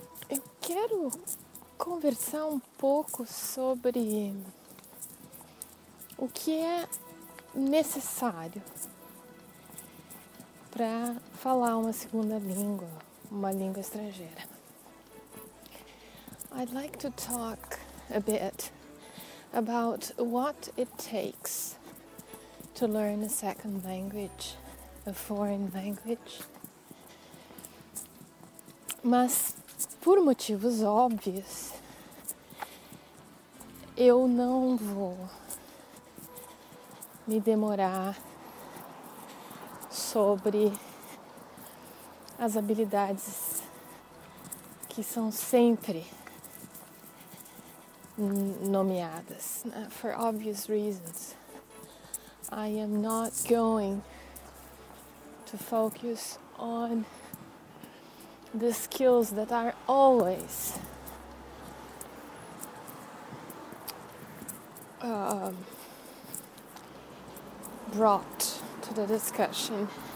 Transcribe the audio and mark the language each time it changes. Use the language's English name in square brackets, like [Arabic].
[Portuguese] Eu quero conversar um pouco sobre o que é necessário para falar uma segunda língua, uma língua estrangeira. [English] I'd like to talk a bit about what it takes to learn a second language, a foreign language. [Portuguese] Mas, por motivos óbvios, eu não vou me demorar sobre as habilidades que são sempre nomeadas. [English] For obvious reasons, I am not going to focus on the skills that are always brought to the discussion.